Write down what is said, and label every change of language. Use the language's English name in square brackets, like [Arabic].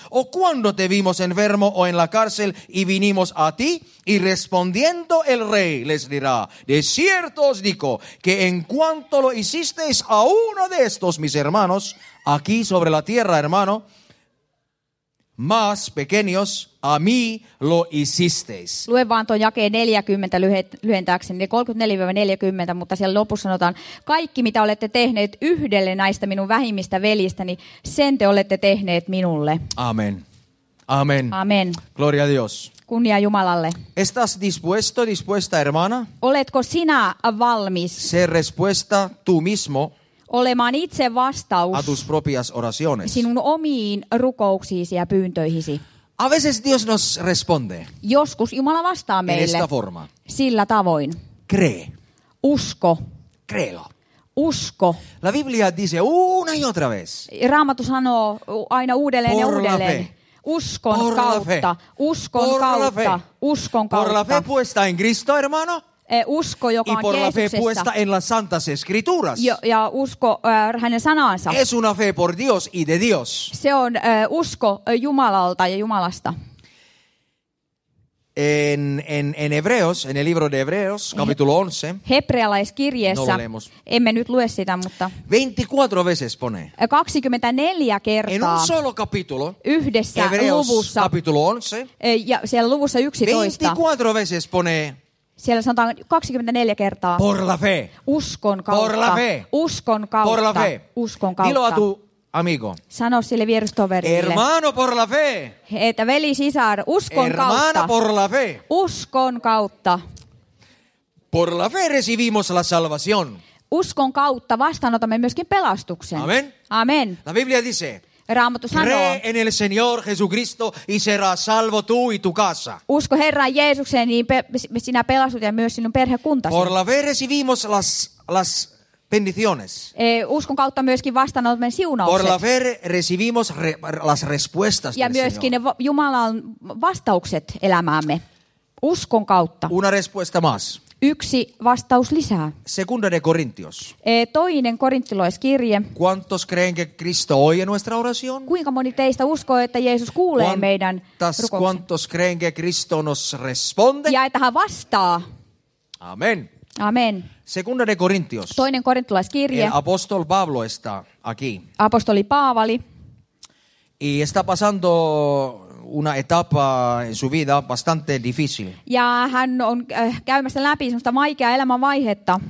[Spanish] ¿O cuándo te vimos enfermo o en la cárcel y vinimos a ti? Y respondiendo el rey les dirá, de cierto os digo que en cuanto lo hicisteis a uno de estos mis hermanos, aquí sobre la tierra, hermano, más pequeños, a mí lo hicisteis. [Finnish] Lue vaan tuon jakeen 40 lyhentääkseni, 34-40, mutta siellä lopussa sanotaan, kaikki mitä olette tehneet yhdelle näistä minun vähimmistä veljistäni, sen te olette tehneet minulle. Amen. Amen. Amen. [Spanish] Gloria a Dios. [Finnish] Kunnia Jumalalle. [Spanish] ¿Estás dispuesto, dispuesta, hermana? [Finnish] Oletko sinä valmis? [Spanish] Ser respuesta tú mismo. [Finnish] Olemaan itse vastaus. [Spanish] A tus propias oraciones. [Finnish] Sinun omiin rukouksiisi ja pyyntöihisi. [Spanish] A veces Dios nos responde. [Finnish] Joskus Jumala vastaa meille. [Spanish] En esta forma. [Finnish] Sillä tavoin. [Spanish] Cree. [Finnish] Usko. [Spanish] Creelo. [Finnish] Usko. [Spanish] La Biblia dice una y otra vez. [Finnish] Raamattu sanoo aina uudelleen [Spanish] Por [Finnish] ja uudelleen. Uskon [Spanish] Por [Finnish] kautta, uskon [Spanish] Por [Finnish] kautta, uskon kautta. [Spanish] Por la fe puesta en Cristo, hermano. [Finnish] Usko, joka [Spanish] y por la fe puesta en las santas escrituras. [Finnish] Ja usko hänen sanansa. [Spanish] Es una fe por Dios y de Dios. [Finnish] Se on usko Jumalalta ja Jumalasta. [Spanish] En Hebreos, en el libro de Hebreos, capítulo 11. [Finnish] Hebrealaiskirjeessä. [Spanish] No valemos. [Finnish] Emme nyt lue sitä, mutta [Spanish] 24 veces pone. [Finnish] 24 kertaa. [Spanish] En un solo capítulo. [Finnish] Yhdessä [Spanish] Hebreos, [Finnish] luvussa. [Spanish] Capítulo 11. [Finnish] Ja siellä luvussa 11. [Spanish] 24 veces pone. [Finnish] Siellä sanotaan 24 kertaa. [Spanish] Por la fe. [Finnish] Uskon kautta. [Spanish] Por la fe. [Finnish] Uskon kautta. [Spanish] Por la fe. [Finnish] Uskon kautta. [Spanish] Dilo a tu amigo. [Finnish] Sano sille vierustoverille. [Spanish] Hermano por la fe. [Finnish] Että veli sisar, uskon [Spanish] Hermana [Finnish] kautta. [Spanish] Hermana por la fe. [Finnish] Uskon kautta. [Spanish] Por la fe recibimos la salvación. [Finnish] Uskon kautta vastaanotamme myöskin pelastuksen. Amen. Amen. [Spanish] La Biblia dice. [Finnish] Raamattu sanoo. [Spanish] Cree en el Señor Jesucristo y serás salvo tú y tu casa. [Finnish] Usko Herran Jeesukseen, niin sinä pelastut ja myös sinun perhekuntasi. [Spanish] Por la fe recibimos las bendiciones. [Finnish] Uskon kautta myöskin vastaanotamme siunaukset. [Spanish] Por la fe recibimos las respuestas del Señor. [Finnish] Ja myöskin ne Jumalan vastaukset elämäämme. Uskon kautta. [Spanish] Una respuesta más. [Finnish] Yksi vastaus lisää. [Spanish] Segunda de Corintios. [Finnish] Toinen korintilaiskirje. [Spanish] ¿Cuántos creen que Cristo oye nuestra oración? [Finnish] Kuinka moni teistä uskoo, että Jeesus kuulee meidän rukouksen? [Spanish] ¿Cuántos creen que Cristo nos responde? [Finnish] Ja että hän vastaa. Amén. Amén. [Spanish] Segunda de Corintios. [Finnish] Toinen korintilaiskirje. [Spanish] Apóstol Pablo está aquí. [Finnish] Apostoli Paavali. [Spanish] Y está pasando una etapa en su vida bastante difícil. [Finnish] Ja hän on käymässä läpi semmoista vaikeaa elämänvaihetta.